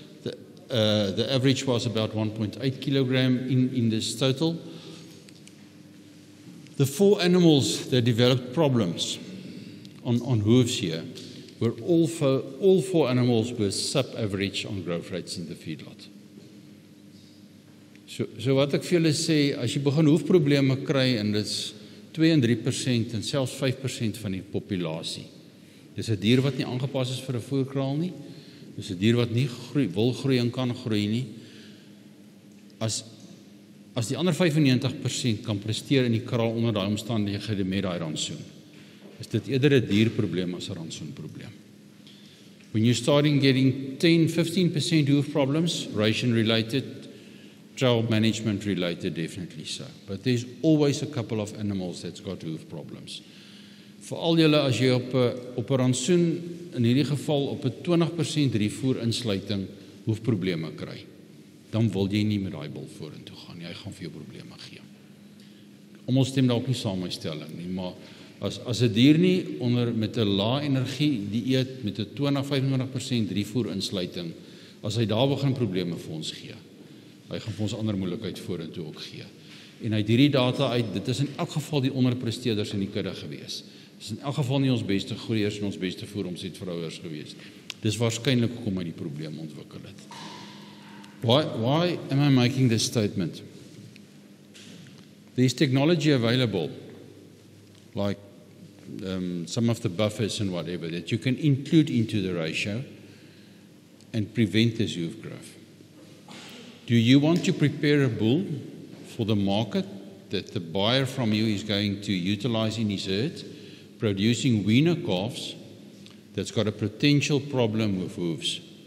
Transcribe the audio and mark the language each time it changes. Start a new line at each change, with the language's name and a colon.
English: The average was about 1.8 kilogram in this total. The four animals that developed problems on hooves here were all four animals were sub-average on growth rates in the feedlot.
Afrikaans: So wat ek vir julle sê, as jy begin hoefprobleme kry, en dit's 2-3% en selfs 5% van die populasie, dis 'n dier wat nie aangepas is vir 'n voerkraal nie, dis 'n dier wat nie wil groei en kan groei nie. As die ander 95% kan presteer in die kraal onder daai omstandighede met daai rantsoen, is dit eerder 'n dierprobleem as 'n rantsoenprobleem.
English: When you're starting getting 10-15% hoof problems, ration related, trail management related, definitely so. But there's always a couple of animals that's got hoof problems.
Afrikaans: Vir al julle, as jy op 'n rantsoen, in hierdie geval op 'n 20% refoer insluiting, hoofprobleme kry, dan wil jy nie met daai bul vorentoe gaan nie. Hy gaan vir jou probleme gee. Om ons stem dalk nie saam met my stelling nie, maar as 'n dier nie onder met 'n lae energie dieet met 'n 20-25% refoer insluiting, as hy daar begin probleme vir ons gee, hy gaan vir ons ander moeilikheid vorentoe ook gee. En uit hierdie data uit, dit is in elk geval die onderpresteerders in die kudde gewees. Dit is in elk geval nie ons beste groeiers en ons beste voeromsetvrouers gewees. Dis waarskynlik hoekom hy die probleem ontwikkel het.
English: Why am I making this statement? There's technology available, like some of the buffers and whatever, that you can include into the ratio and prevent this hoof growth. Do you want to prepare a bull for the market that the buyer from you is going to utilize in his herd, producing weaner calves that's got a potential problem with hooves?